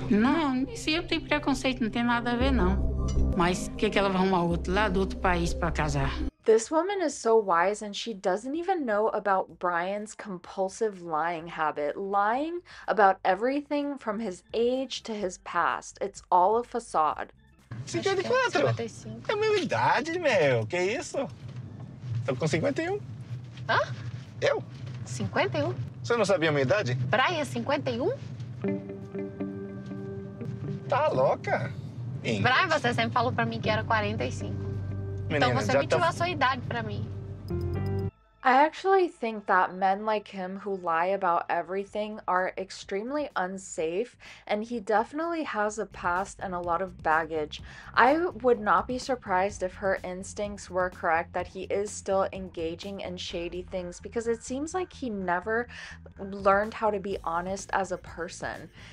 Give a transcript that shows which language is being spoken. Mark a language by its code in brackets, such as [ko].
[pt] Não, isso eu tenho preconceito, não tem nada a ver, não. Mas o que, que ela vai arrumar outro lá do outro país pra casar? [en] This woman is so wise, and she doesn't even know about Brian's compulsive lying habit. Lying about everything from his age to his past. It's all a facade. [pt] 54? 55. É a minha idade, meu. Que isso? Tô com 51. Hã? Eu? 51? Você não sabia a minha idade? Brian, 51? Tá louca? Ingrid. Brian, você sempre falou pra mim que era 45. Menina, então você mentiu a sua idade pra mim. [en] I actually think that men like him who lie about everything are extremely unsafe, and he definitely has a past and a lot of baggage. I would not be surprised if her instincts were correct that he is still engaging in shady things, because it seems like he never learned how to be honest as a person.